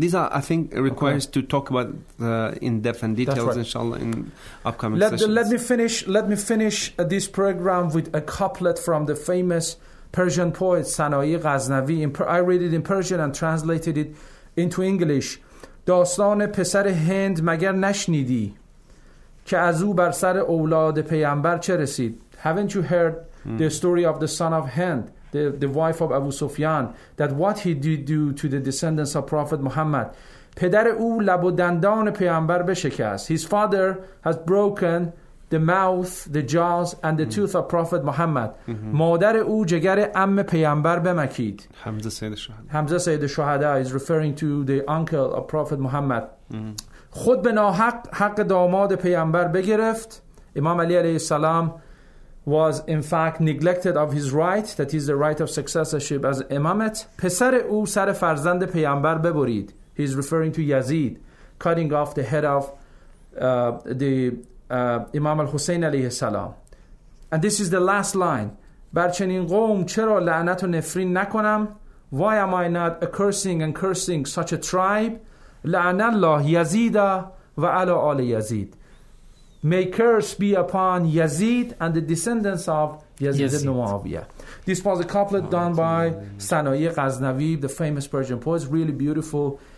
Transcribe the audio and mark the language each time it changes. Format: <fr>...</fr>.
<en>These are, I think, requires to talk about in depth and details, inshallah, in upcoming sessions. Let me finish this program with a couplet from the famous Persian poet Sanai Ghaznavi. I read it in Persian and translated it into English.</en> <fa>داستان پسر هند مگر نشنیدی که از او بر سر اولاد پیامبر چه رسید.</fa> <en>Haven't you heard the story of the son of Hind, the wife of Abu Sufyan, that what he did do to the descendants of Prophet Muhammad?</en> <fa>پدر او لب و دندان پیامبر بشکست.</fa> <en>His father has broken the mouth, the jaws, and the tooth of Prophet Muhammad.</en> <fa>مادر او جگر عم پیامبر بمکید. حمزه</fa> <en>سید شهده is referring to the uncle of Prophet Muhammad.</en> <fa>خود به ناحق حق داماد پیامبر بگرفت.</fa> <en>امام علی علیه السلام was in fact neglected of his right, that is the right of successorship as imamate.</en> <fa>پسر او سر فرزند پیامبر ببرید.</fa> <en>He is referring to Yazid, cutting off the head of the Imam al-Hussein alayhi salam. And this is the last line.</en> <fa>بر چنین قوم چرا لعنت و نفرین نکنم.</fa> <en>Why am I not accursing and cursing such a tribe?</en> <ar>لعن الله یزید و علی آل یزید.</ar> <en>May curse be upon Yazid and the descendants of Yazid ibn Muawiyah. This was a couplet done by Sanai Ghaznavi, the famous Persian poet. It's really beautiful.</en>